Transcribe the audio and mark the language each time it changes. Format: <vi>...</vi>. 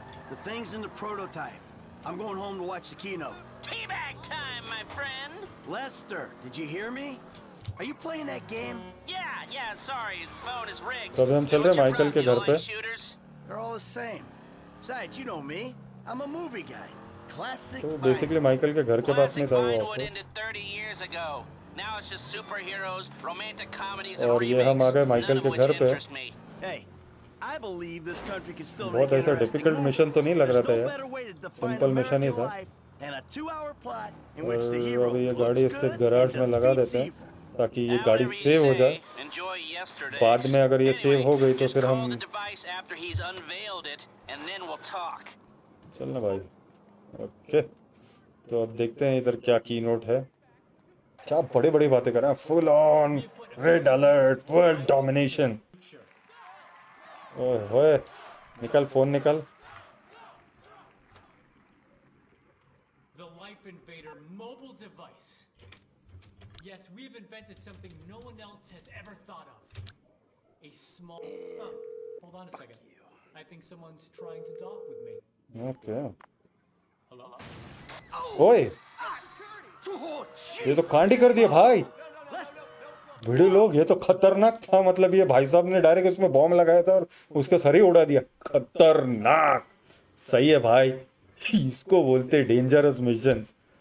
<en>The thing's in the prototype. I'm going home to watch the keynote. Teabag time, my friend. Lester, did you hear me? Are you playing that game? Yeah, sorry. The phone is rigged.</en> <hi>तो अभी हम चल रहे हैं Michael के घर पे।</hi> <en>They're all the same. Besides, you know me. I'm a movie guy. Classic.</en> <hi>तो बेसिकली माइकल के घर के पास में था वो office.</hi> <en>Now it's just superheroes, romantic comedies and remakes.</en> <hi>और ये हम आ गए माइकल के घर पे।</hi> <en>Hey. I believe this country can still make it.</en> <hi>बहुत ऐसा डिफिकल्ट मिशन तो नहीं लग रहा था यार, सिंपल मिशन ही था। और ये गाड़ी इसके गैराज में लगा देते हैं ताकि ये गाड़ी सेव हो जाए। बाद में अगर ये सेव हो गई तो फिर हम चल ना भाई। ओके तो अब देखते हैं इधर क्या कीनोट है। क्या बड़ी बड़ी बातें कर रहे हैं, full on red alert world domination. ओए निकल फोन निकल।</hi> <en>The Life Invader mobile device. Yes, we've invented something no one else has ever thought of. A small. Hold on a second. I think someone's trying to talk with me. Okay. Hello.</en> <hi>ओए ये तो कांडी कर दिया भाई। भिड़े लोग ये तो खतरनाक था, मतलब ये भाई साहब ने डायरेक्ट उसमें बॉम्ब लगाया था और उसका सर ही उड़ा दिया। खतरनाक सही है भाई, इसको बोलते डेंजरस मिशंस।</hi>